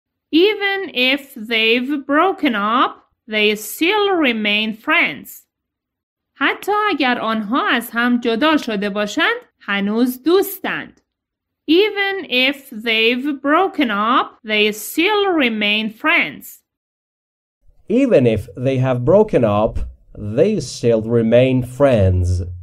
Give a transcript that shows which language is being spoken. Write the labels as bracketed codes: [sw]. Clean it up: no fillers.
[en] Even if they've broken up, they still remain friends. [fa] حتی اگر آنها از هم جدا شده باشند، هنوز دوستند. [en] Even if they've broken up, they still remain friends. Even if they have broken up, they still remain friends.